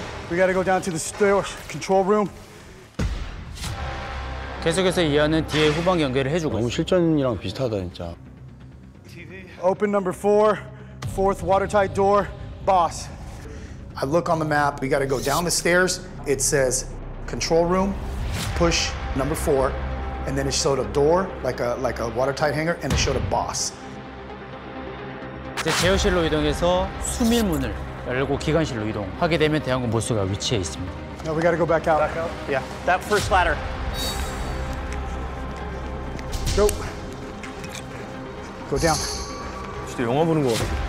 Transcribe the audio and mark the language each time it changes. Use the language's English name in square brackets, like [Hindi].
[English] We gotta go down to the stairs control room. [Korean] 계속해서 이하는 뒤에 후방 연결을 해주고 너무 실전이랑 비슷하다, 진짜. [English] TV. Open number 4, fourth watertight door, boss. I look on the map. We got to go down the stairs. It says control room, push number 4, and then it showed a door like a watertight hanger, and it showed a boss. [Korean] 이제 제어실로 이동해서 수밀문을 열고 기관실로 이동하게 되면 대항구 모수가 위치해 있습니다. [English] No, we got to go back out. Back out? Yeah. That first ladder. Go. Go down. [Korean] 진짜 영화 보는 거 같아.